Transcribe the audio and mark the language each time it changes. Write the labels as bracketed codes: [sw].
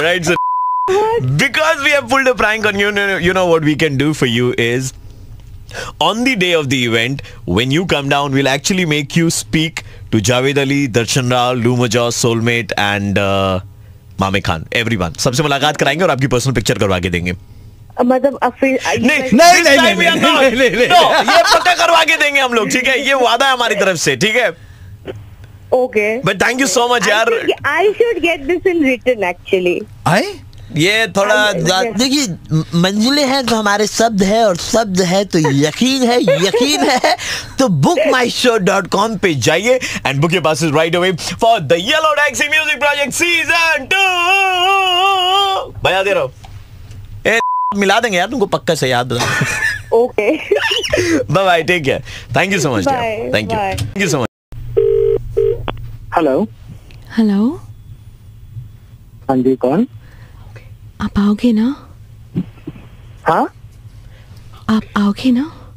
[en] Right sir, because we have pulled a prank on you, you know what we can do for you is, on the day of the event, when you come down, we'll actually make you speak to Javed Ali, Darshan Rao, Luma Jaw, Soulmate and Mame Khan, everyone. [hi] सबसे मुलाकात कराएंगे और आपकी personal picture करवा के देंगे. मतलब नहीं, ये पक्का करवा के देंगे हम लोग, ठीक है? ये वादा है हमारी तरफ से, ठीक है? [en] Okay. But thank you so much, यार. I should get this in written actually. I? [hi] ये थोड़ा देखिए, मंजिलें हैं तो हमारे शब्द है, और शब्द है तो यकीन है, यकीन है तो bookmyshow.com पे जाइए [en] And book your passes right away for the yellow taxi music project season 2. [hi] बजा दे रहो, मिला देंगे यार तुमको पक्का से, याद रहा. [en] Okay bye bye, take care, thank you so much. Thank you, thank you so much. Hello. Hello, [hi] हाँ जी, कौन? आप आओगे ना? हाँ, आप आओगे ना?